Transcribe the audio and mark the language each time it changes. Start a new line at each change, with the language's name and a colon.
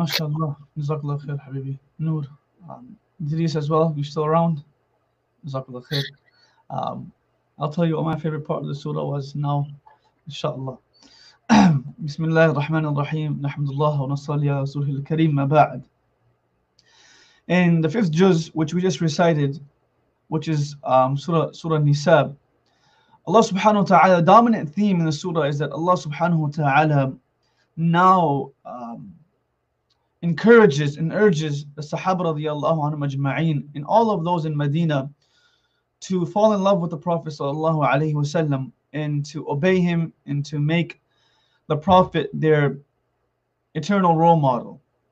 Arabic: ما شاء الله، جزاك الله خير حبيبي نور.
English: Idris as well, you're still around.
Arabic: جزاك الله خير.
English: I'll tell you what my favorite part of the surah was now, inshallah.
Arabic: بسم الله الرحمن الرحيم، نحمد الله ونصلي على رسوله الكريم، ما بعد.
English: In the fifth juz, which we just recited, which is Surah Nisab, Allah subhanahu wa ta'ala, the dominant theme in the surah is that Allah subhanahu wa ta'ala now encourages and urges the Sahaba radiallahu anhu majma'een and all of those in Medina to fall in love with the Prophet sallallahu alayhi wa sallam and to obey him and to make the Prophet their eternal role model.